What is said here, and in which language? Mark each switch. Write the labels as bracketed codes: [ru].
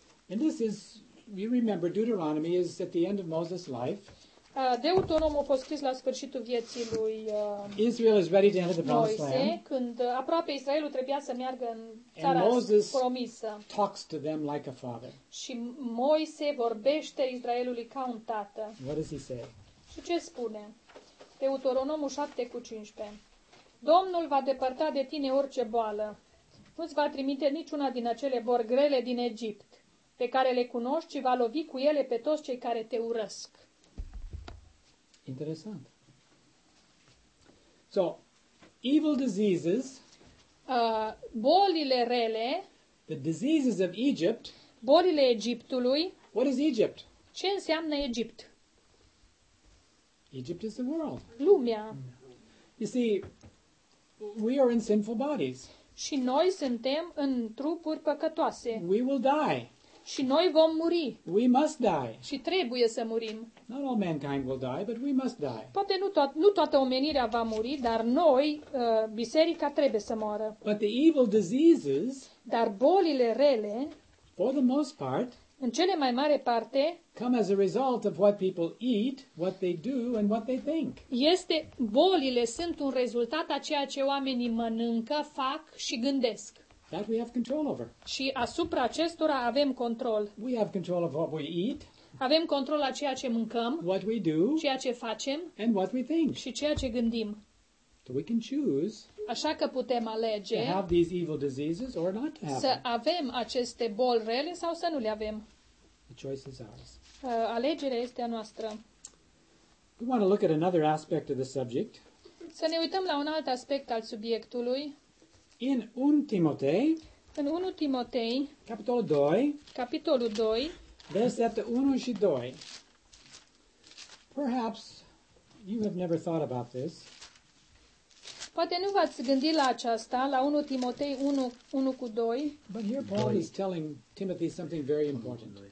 [en] And this is, you remember, Deuteronomy is at the end of Moses' life. [ro] Deuteronom a fost scris la sfârșitul vieții lui [en] Israel is ready to enter the promised [ro] Moise, [en] land. [ro] Când aproape Israelul trebuia să meargă în țara [en] and Moses [ro] promisă. [en] Talks to them like a father. [ro] Și Moise vorbește Israelului ca un tată. [en] What does he say? [ro] Și ce spune? Deuteronomul 7:15. Domnul va depărta de tine orice boală. Nu îți va trimite niciuna din acele bori grele din Egipt, pe care le cunoști și va lovi cu ele pe toți cei care te urăsc. Interesant. [en] So, evil diseases, [ro] bolile rele, [en] the diseases of Egypt, [ro] bolile Egiptului, [en] what is Egypt? [ro] Ce înseamnă Egipt? [en] Egypt is the world. [ro] Lumea. [en] You see, we are in sinful bodies. [ro] Și noi suntem în trupuri păcătoase. [en] We will die. [ro] Și noi vom muri. [en] We must die. [ro] Și trebuie să murim. [en] Not all mankind will die, but we must die. [ro] Poate nu toată omenirea va muri, dar noi, biserica, trebuie să moară. [en] But the evil diseases, [ro] dar bolile rele, [en] for the most part, [ro] în cele mai mare parte, [en] come as a result of what people eat, what they do, and what they think. [ro] Este, bolile sunt un rezultat a ceea ce oamenii mănâncă, fac și gândesc. [en] That we have control over. [ro] Și asupra acestora avem control. [en] We have control of what we eat. [ro] Avem control la ceea ce mâncăm. [en] What we do. [ro] Ceea ce facem. [en] And what we think. [ro] Și ceea ce gândim. [en] So we can choose. [ro] Așa că putem alege. [en] To have these evil diseases or not to have. [ro] Să avem aceste boli rele sau să nu le avem. [en] The choice is ours. [ro] Alegerea este a noastră. [en] We want to look at another aspect of the subject. [ro] Să ne uităm la un alt aspect al subiectului. [en] In 1 Timotei, [ro] în 1 Timotei, capitolul 2, capitolul 2, versetele 1 și 2. [en] Perhaps you have never thought about this. [ro] Poate nu v-ați gândit la aceasta, la 1 Timotei 1 cu 2. [en] But here Paul is telling Timothy something very important.